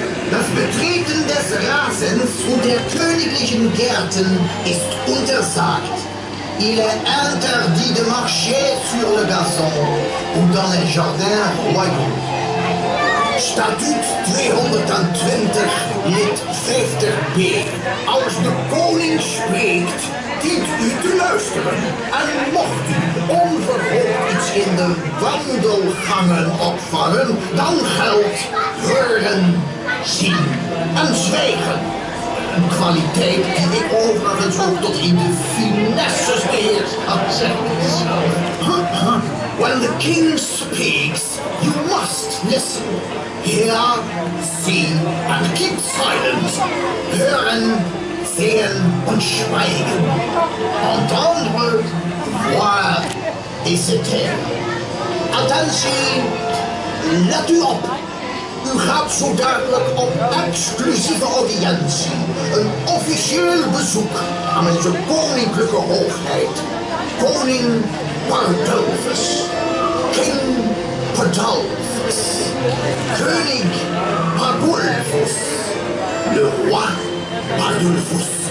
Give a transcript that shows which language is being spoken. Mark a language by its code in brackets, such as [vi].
[de] Das Betreten des Rasens und der königlichen Gärten ist untersagt. [fr] Il est interdit de marcher sur le gazon ou dans les jardins royaux. [nl] Statuut 220, lid 50b. Als de koning spreekt, dient u te luisteren. En mocht u onverhoopt iets in de wandelgangen opvangen, dan geldt horen, zien en zwijgen. Een kwaliteit die ik overigens ook tot in de finesse beheerst, had zeggen. [en] When the king speaks, you must listen. Hear, see, and keep silent. [de] Hören, sehen, und schweigen. [fr] Entendre, voir, et se taire. Attention, [nl] let u op. U gaat zo duidelijk op exclusieve audiëntie, een officieel bezoek aan onze koninklijke hoogheid, koning Pardalvis, [en] king Pardalvis, [nl] koning Pardalvis, [fr] le roi Pardalvis.